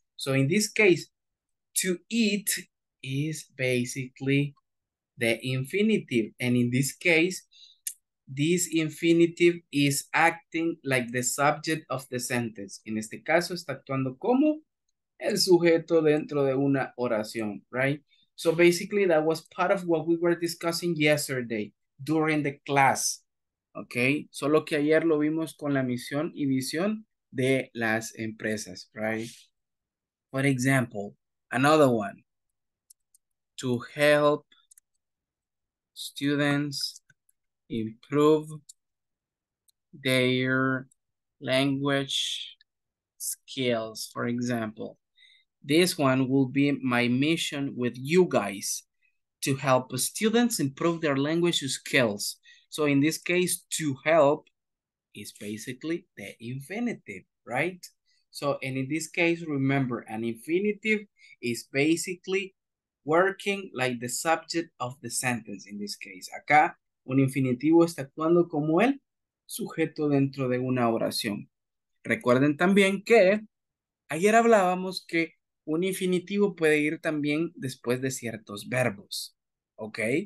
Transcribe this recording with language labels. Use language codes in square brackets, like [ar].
[en] So in this case, to eat is basically the infinitive. And in this case, this infinitive is acting like the subject of the sentence. [es] En este caso, está actuando como el sujeto dentro de una oración, right? [en] So basically, that was part of what we were discussing yesterday during the class, okay? [es] Solo que ayer lo vimos con la misión y visión de las empresas, right? [en] For example, Another one. To help students improve their language skills, for example. This one will be my mission with you guys, to help students improve their language skills. So in this case, to help is basically the infinitive, right? So, and in this case, remember, an infinitive is basically working like the subject of the sentence in this case. [es] Acá, un infinitivo está actuando como el sujeto dentro de una oración. Recuerden también que ayer hablábamos que un infinitivo puede ir también después de ciertos verbos, ¿ok?